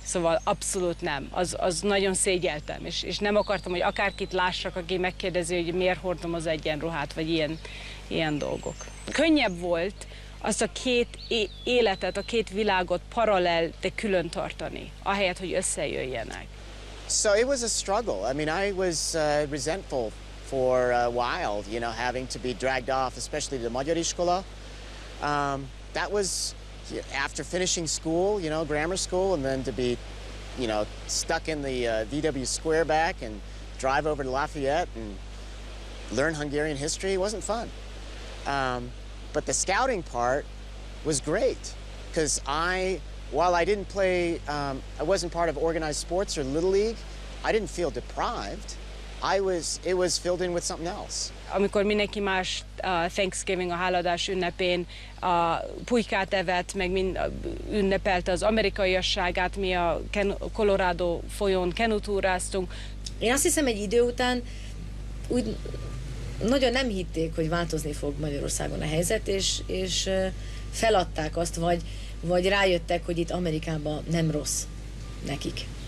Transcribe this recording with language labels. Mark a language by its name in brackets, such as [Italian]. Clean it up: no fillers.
[Hungarian] Szóval abszolút nem. Az nagyon szégyeltem. És nem akartam, hogy akárkit lássak, aki megkérdezi, hogy miért hordom az egy ilyen ruhát, vagy ilyen dolgok. Könnyebb volt azt a két életet, a két világot paralel, de külön tartani, ahelyett, hogy összejöjjenek. [English] So it was a struggle. I mean, I was resentful for a while, you know, having to be dragged off, especially to the Magyar Iskola. That was after finishing school, you know, grammar school, and then to be, you know, stuck in the VW square back and drive over to Lafayette and learn Hungarian history. It wasn't fun. But the scouting part was great, because while I didn't play, I wasn't part of organized sports or Little League, I didn't feel deprived. It was filled in with something else. [Hungarian] Amikor mindenki más Thanksgiving, a háladás ünnepén pulykát evett, meg ünnepelte az amerikaiasságát, mi a Colorado folyón kenutúráztunk. Én azt hiszem, egy idő után úgy nagyon nem hitték, hogy változni fog Magyarországon a helyzet, és feladták azt, vagy rájöttek, hogy itt Amerikában nem rossz nekik.